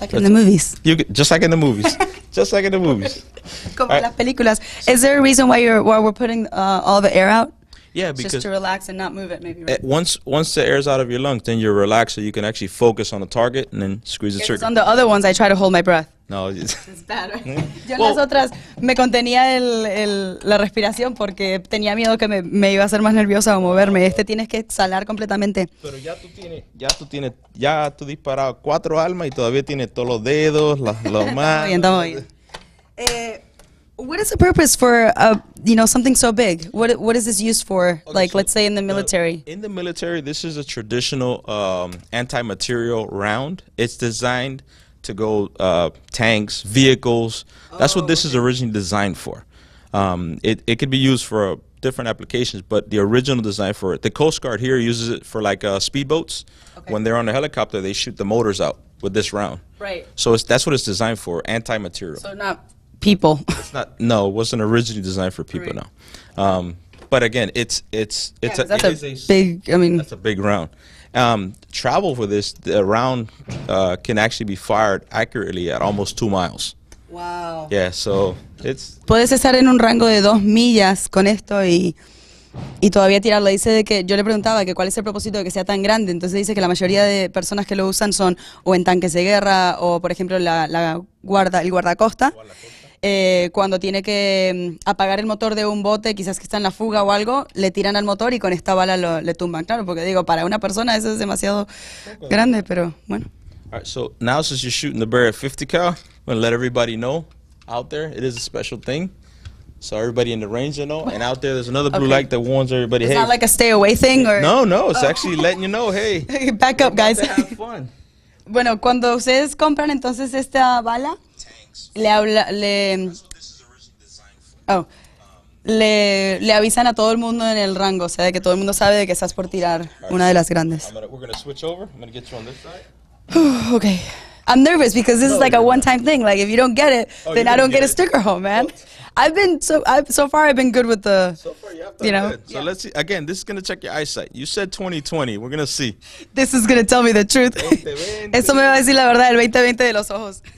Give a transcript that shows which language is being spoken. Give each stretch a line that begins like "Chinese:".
English: Just like in the movies. Just like in the movies.
Spanish: Como en las películas.
English: Is there a reason why we're putting all the air out? Yeah, because... Just to relax and not move it, maybe, right? Once the air's out of your lungs, then you're relaxed, so you can actually focus on the target and then squeeze the trigger. On the other ones, I try to hold my breath. No, it's bad, right?
Spanish: Yo en las otras me contenía la respiración porque tenía miedo que me iba a hacer más nerviosa o moverme. Este tienes que exhalar completamente. Pero ya tú disparado cuatro almas y todavía tienes todos los dedos, los manos. Estamos bien.
English: What is the purpose for, something so big? What is this used for, let's say in the military? In the military, this is a traditional anti-material round. It's designed to go tanks, vehicles. That's what this is originally designed for. It could be used for different applications, but the original design for it, the Coast Guard here uses it for speedboats. Okay. When they're on a helicopter, they shoot the motors out with this round. Right. So that's what it's designed for, anti-material. So not... people. It wasn't originally designed for people, right. No. But again, it's yeah, that's a big round. Travel for this, the round can actually be fired accurately at almost 2 miles. Wow. Yeah, so it's...
Spanish: Puedes estar en un rango de 2 millas con esto y todavía tirarlo. Dice de que yo le preguntaba que cuál es el propósito de que sea tan grande. Entonces dice que la mayoría de personas que lo usan son o en tanques de guerra o, por ejemplo, el guardacosta. Cuando tiene que apagar el motor de un bote, quizás que está en la fuga o algo, le tiran al motor y con esta bala le tumban. Claro, porque digo, para una persona eso es demasiado grande, pero bueno.
English: All right, so now since you're shooting the bear at 50 cal, I'm going to let everybody know out there, it is a special thing. So everybody in the range, you know, and out there there's another blue light that warns everybody, hey. It's not like a stay away thing? Or? No, it's actually letting you know, hey. Back up, guys. Have fun.
Spanish: Bueno, cuando ustedes compran entonces esta bala, le avisan a todo el mundo en el rango, o sea, de que todo el mundo sabe de que estás por tirar una de las grandes.
English: Okay. I'm nervous because this is like a one-time thing. Like, if you don't get it, then I don't get a sticker home, man. So far, I've been good. So let's see. Again, this is going to check your eyesight. You said 20/20. We're going to see. This is going to tell me the truth. 20/20.
Spanish: Eso me va a decir la verdad, el 20/20 de los ojos.